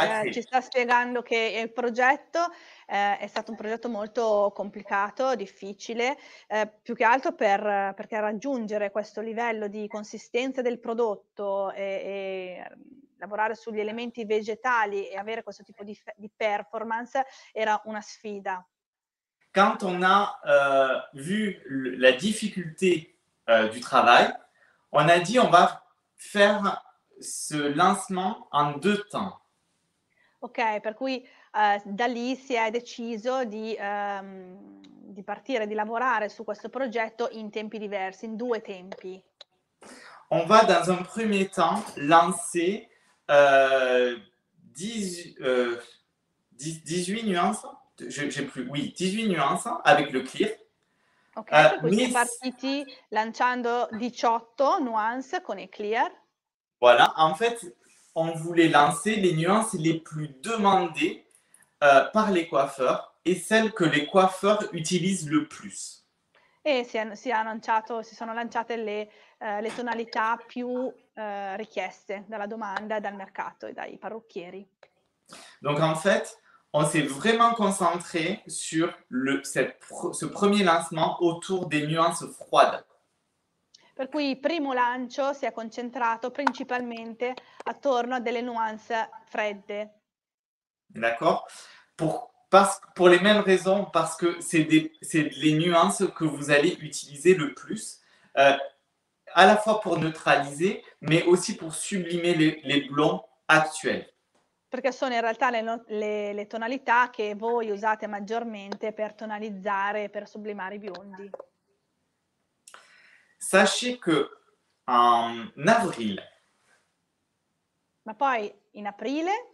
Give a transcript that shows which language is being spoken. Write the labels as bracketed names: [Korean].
[Italian] Ci sta spiegando che il progetto è stato un progetto molto complicato, difficile, più che altro perché raggiungere questo livello di consistenza del prodotto e lavorare sugli elementi vegetali e avere questo tipo di performance era una sfida. [French] Quand on a vu la difficulté du travail, on a dit on va faire ce lancement en deux temps. [Italian] Ok, per cui da lì si è deciso di partire, di lavorare su questo progetto in tempi diversi, in due tempi. [French] On va dans un premier temps lancer 18 nuances. Oui, 18 nuances avec le clear. [Italian] Ok, per cui siamo partiti lanciando 18 nuances con il clear. [French] Voilà, en fait, on voulait lancer les nuances les plus demandées par les coiffeurs et celles que les coiffeurs utilisent le plus. [Italian] E si sono lanciate le tonalità più richieste dalla domanda, dal mercato e dai parrucchieri. [French] Donc en fait, on s'est vraiment concentré sur ce premier lancement autour des nuances froides. [Italian] Per cui il primo lancio si è concentrato principalmente attorno a delle nuance fredde. [French] D'accord? Pour les mêmes raisons, parce que c'est les nuances que vous allez utiliser le plus, à la fois pour neutraliser, mais aussi pour sublimer les blonds actuels. [Italian] Perché sono in realtà le tonalità che voi usate maggiormente per tonalizzare e per sublimare i biondi. [French] Sachez que en avril, [Italian] ma poi in aprile,